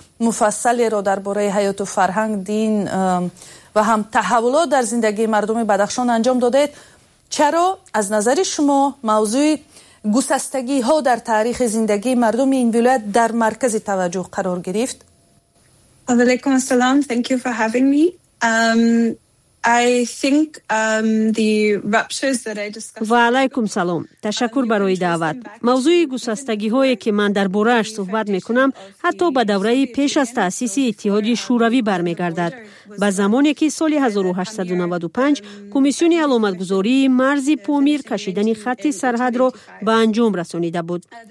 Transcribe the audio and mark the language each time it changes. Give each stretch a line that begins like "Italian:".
Persian: مفصلی را درباره حیات و فرهنگ، دین و هم تحولات در زندگی مردم بدخشان انجام دادید، چرا از نظر شما موضوع گسستگی ها در تاریخ زندگی مردم این ولایت در مرکز توجه قرار گرفت؟ علیکم السلام.
English: Thank you for having me. I think the ruptures that I discussed.
Persian: علیکم سلام. تشکر برای دعوت. موضوع گسستگی هایی که من درباره اش صحبت می کنم حتی به دوره پیش از تأسیس اتحاد شوروی برمیگردد، به زمانی که سال 1895 کمیسیون علامتگذاری مرز پامیر کشیدن خط سرحد را به انجام رسانیده بود.